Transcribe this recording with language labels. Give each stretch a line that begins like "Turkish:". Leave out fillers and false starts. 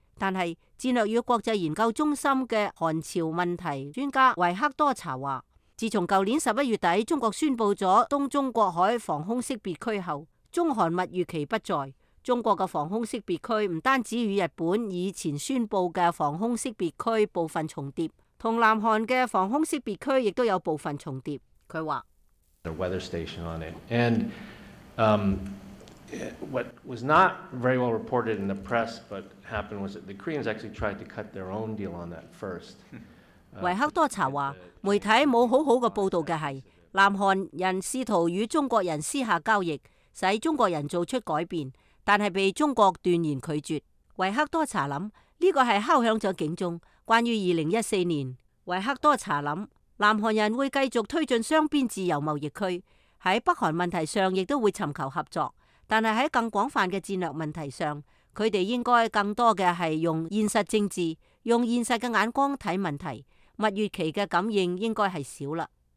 Chinese: 但是战略与国际研究中心的韩朝问题专家维克多查说，自从去年11月底中国宣布了东中国海防空识别区后，中韩蜜月期不在。中国的防空识别区不单止与日本以前宣布的防空识别区部分重叠，同南韩的防空识别区亦都有部分重叠。他说
English: The weather station on it. And, what was not very well reported in the press, but happened was that the Koreans actually tried to cut their own deal on that first.
Chinese: 维克多查说，媒体没有好好的报道的是，南韩人试图与中国人私下交易，使中国人做出改变，但是被中国断然拒绝。维克多查想，这个是敲响了警钟。关于2014年，维克多查想，南韩人会继续推进双边自由贸易区，在北韩问题上亦都会寻求合作，但是在更广泛的战略问题上，他们应该更多的是用现实政治，用现实的眼光看问题，蜜月期的感应应该是少了。